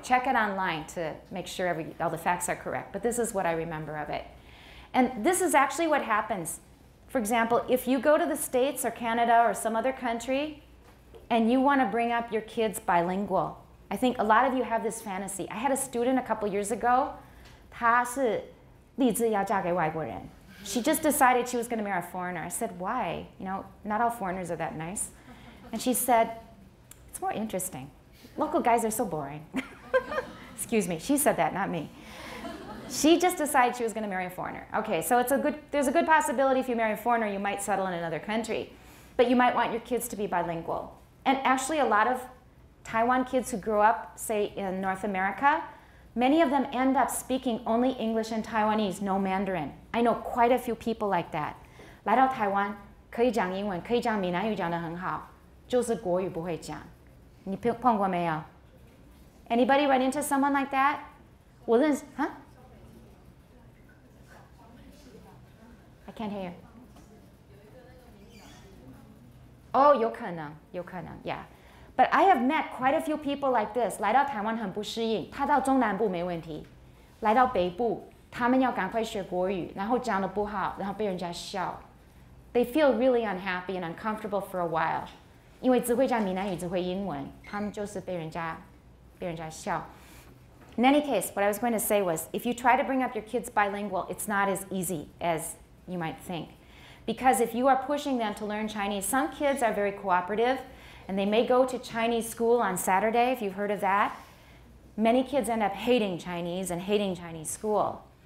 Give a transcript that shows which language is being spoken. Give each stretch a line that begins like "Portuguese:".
English: Check it online to make sure all the facts are correct. But this is what I remember of it. And this is actually what happens. For example, if you go to the States or Canada or some other country and you want to bring up your kids bilingual, I think a lot of you have this fantasy. I had a student a couple years ago.
Chinese: 她是立志要嫁给外国人。
English: She just decided she was going to marry a foreigner. I said, why? You know, not all foreigners are that nice. And she said, it's more interesting. Local guys are so boring. Excuse me, she said that, not me. She just decided she was going to marry a foreigner. Okay, so there's a good possibility if you marry a foreigner, you might settle in another country. But you might want your kids to be bilingual. And actually, a lot of Taiwan kids who grew up, say, in North America, many of them end up speaking only English and Taiwanese, no Mandarin. I know quite a few people like that.
Chinese: 来到台湾可以讲英文可以讲闽南语讲得很好就是国语不会讲。你碰过没有
English: Anybody run into someone like that?
Chinese: 我认识
English: huh? I can't hear you.
Chinese: Oh, 有可能有可能 yeah.
English: But I have met quite a few people like this.
Chinese: 来到台湾很不适应，他到中南部没问题。来到北部，他们要赶快学国语，然后讲得不好，然后被人家笑。
English: They feel really unhappy and uncomfortable for a while.
Chinese: 因为只会讲闽南语，只会英文，他们就是被人家笑。
English: In any case, what I was going to say was, if you try to bring up your kids bilingual, it's not as easy as you might think. Because if you are pushing them to learn Chinese, some kids are very cooperative,And they may go to Chinese school on Saturday, if you've heard of that. Many kids end up hating Chinese and hating Chinese school.